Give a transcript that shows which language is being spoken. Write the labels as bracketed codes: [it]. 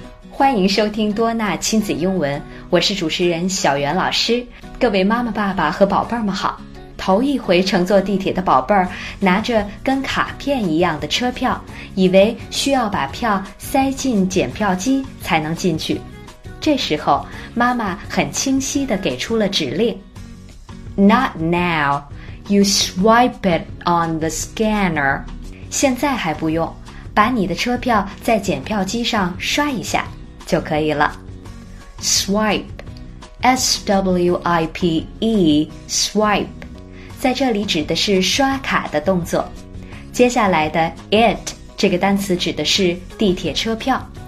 [zh] 欢迎收听多安娜亲子英文，我是主持人小袁老师。各位妈妈爸爸和宝贝儿们好，头一回乘坐地铁的宝贝儿拿着跟卡片一样的车票，以为需要把票塞进检票机才能进去。这时候妈妈很清晰地给出了指令 [en] Not now, you swipe it on the scanner. [zh] 现在还不用，把你的车票在检票机上刷一下就可以了。 [en] Swipe, S-W-I-P-E, swipe. [zh] 在这里指的是刷卡的动作，接下来的 it 这个单词指的是地铁车票。